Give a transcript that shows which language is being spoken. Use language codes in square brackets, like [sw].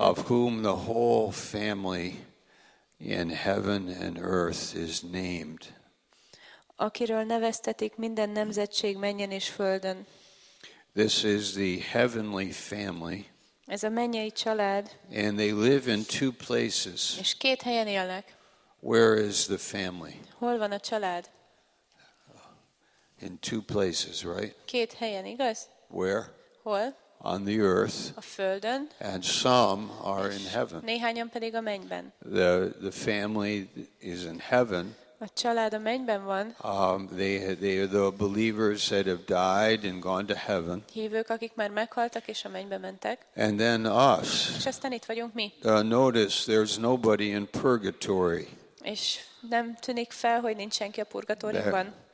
[en] Of whom the whole family in heaven and earth is named. [hu] Akiről neveztetik minden nemzetség mennyen és földön. [en] This is the heavenly family. [hu] Ez a mennyei család. [en] And they live in two places. [hu] És két helyen élnek. [en] Where is the family? [hu] Hol van a család? [en] In two places, right? [hu] Két helyen, igaz? [en] Where? [hu] Hol? [en] on the earth, [hu] a földön, [en] and some are in heaven. [hu] Néhányan pedig a mennyben. [en] The family is in heaven. [hu] A család a mennyben van. [en] They are the believers that have died and gone to heaven. [hu] Hívők, akik már meghaltak és a mennybe mentek. [en] And then us. [hu] És aztán itt vagyunk mi. [en] Notice there's nobody in purgatory. [hu] És nem tűnik fel, hogy nincs senki a purgatóriumban.